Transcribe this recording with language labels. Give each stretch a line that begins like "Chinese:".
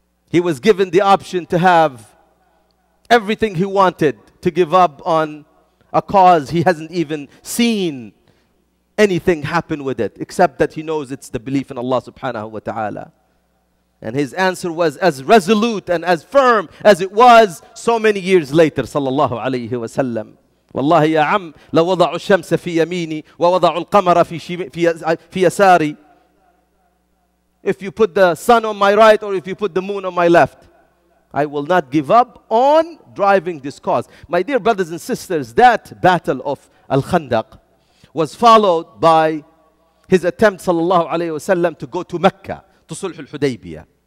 English: He was given the option to have everything he wanted to give up on a cause he hasn't even seen anything happen with it, except that he knows it's the belief in Allah subhanahu wa ta'ala. And his answer was as resolute and as firm as it was so many years later, sallallahu alayhi wa sallam.
Arabic: والله يا عم لو وضعوا الشمس في يميني ووضعوا القمر في يساري.
English: If you put the sun on my right or if you put the moon on my left, I will not give up on driving this cause. My dear brothers and sisters, that battle of Al-Khandaq was followed by his attempt, sallallahu alayhi wasallam, to go to Mecca, to Sulh al-Hudaybiyah.